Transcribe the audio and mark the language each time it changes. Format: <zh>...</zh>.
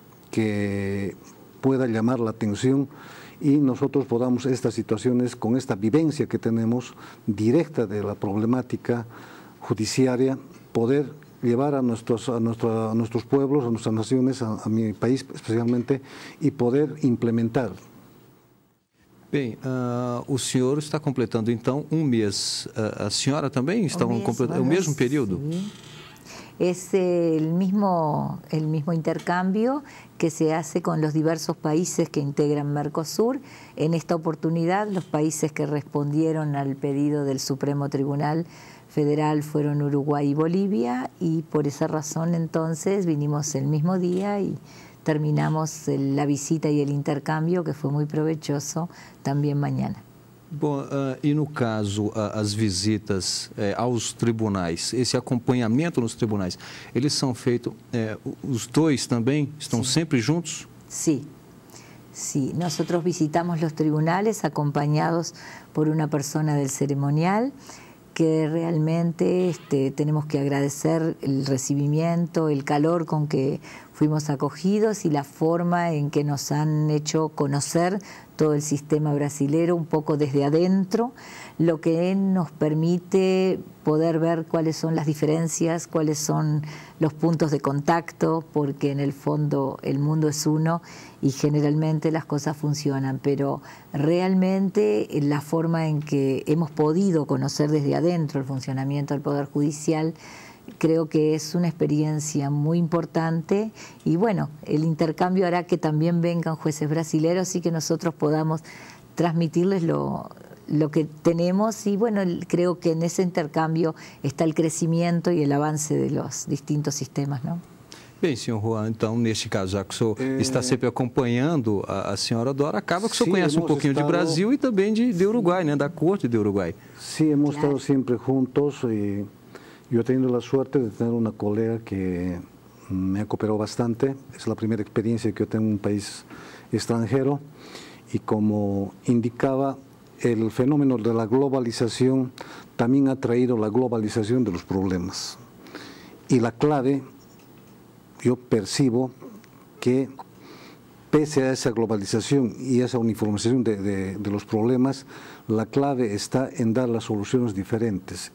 <es>que pueda llamar la atención, y nosotros podamos estas situaciones, con esta vivencia que tenemos directa de la problemática judiciaria, poder llevar a nuestros pueblos, a nuestras naciones, a mi país especialmente, y poder implementar.</es> <pt>Bem, o senhor está completando então um mês. A senhora também está completando o mesmo período?</pt> <es>Es el mismo intercambio que se hace con los diversos países que integran Mercosur. En esta oportunidad, los países que respondieron al pedido del Supremo Tribunal Federal fueron Uruguay y Bolivia, y por esa razón entonces vinimos el mismo día y terminamos la visita y el intercambio, que fue muy provechoso, también mañana.</es> <pt>Bom, e no caso, as visitas aos tribunais, esse acompanhamento nos tribunais, eles são feitos, os dois também estão sempre juntos? Sim.</pt> <es>Nosotros visitamos los tribunales acompañados por una persona del ceremonial, que realmente tenemos que agradecer el recibimiento, el calor con que fuimos acogidos y la forma en que nos han hecho conocer todo el sistema brasilero un poco desde adentro, lo que nos permite poder ver cuáles son las diferencias, cuáles son los puntos de contacto, porque en el fondo el mundo es uno y generalmente las cosas funcionan, pero realmente la forma en que hemos podido conocer desde adentro el funcionamiento del Poder Judicial, creo que es una experiencia muy importante y bueno, el intercambio hará que también vengan jueces brasileños y que nosotros podamos transmitirles lo que tenemos y bueno, creo que en ese intercambio está el crecimiento y el avance de los distintos sistemas, ¿no?</es> <pt>Bem, senhor Juan, então, neste caso, já que o senhor está sempre acompanhando a senhora Dora, acaba que o senhor conhece um pouquinho de Brasil e também de Uruguai, né, da corte de Uruguai. Sim,</pt> <es>hemos estado</es> <pt>sempre juntos e eu tenho a sorte de ter uma colega que</pt> <es>me ha cooperado</es> <pt>bastante.</pt> <es>Es la primera experiencia que yo tengo en un país extranjero. Y como indicaba, el fenómeno de la globalización también ha traído la globalización de los problemas. Y la clave, yo percibo que pese a esa globalización y esa uniformización de los problemas, la clave está en dar las soluciones diferentes.</es>